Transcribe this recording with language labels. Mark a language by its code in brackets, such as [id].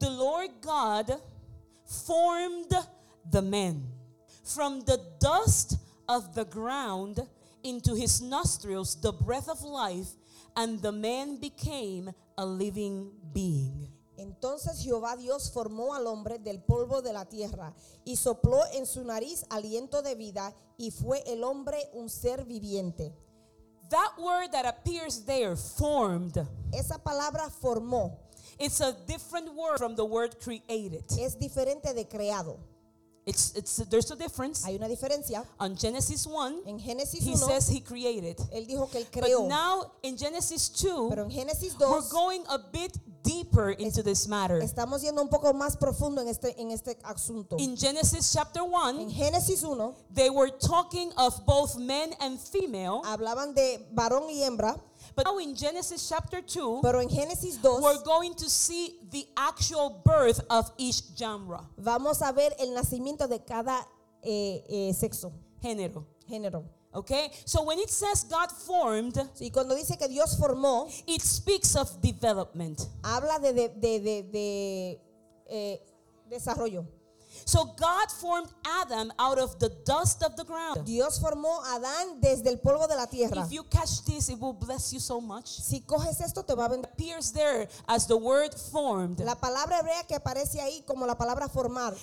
[en] The Lord God formed the man from the dust of the ground into his nostrils the breath of life, and the man became a living being. [es] Entonces Jehová Dios formó al hombre del polvo de la tierra y sopló en su nariz aliento de vida y fue el hombre un ser viviente. [en] That word that appears there, formed, [es] esa palabra formó, [en] it's a different word from the word created. [es] Es diferente de creado. [en] It's there's a difference. [es] Hay una diferencia. [en] On Genesis 1, [es] en Génesis 1, [en] he says he created. [es] Él dijo que él creó. [en] But now in Genesis 2, [es] pero en Génesis 2, [en] we're going a bit deeper into this matter. [es] Estamos yendo un poco más profundo en este asunto. [en] In Genesis chapter 1, [es] en Génesis 1, [en] they were talking of both men and female. [es] Hablaban de varón y hembra. [en] But now in Genesis chapter 2, [es] pero en Génesis 2, [en] we're going to see the actual birth of each genre. [es] Vamos a ver el nacimiento de cada sexo. Género. Género. [en] Okay? So when it says God formed, [es] y cuando dice que Dios formó, [en] it speaks of development. [es] Habla de desarrollo. [en] So God formed Adam out of the dust of the ground. [es] Dios formó a Adán desde el polvo de la tierra. [en] If you catch this, it will bless you so much. [es] Si coges esto, te va a bendecir. [en] Appears there as the word formed. [es] La palabra hebrea que aparece ahí como la palabra formar.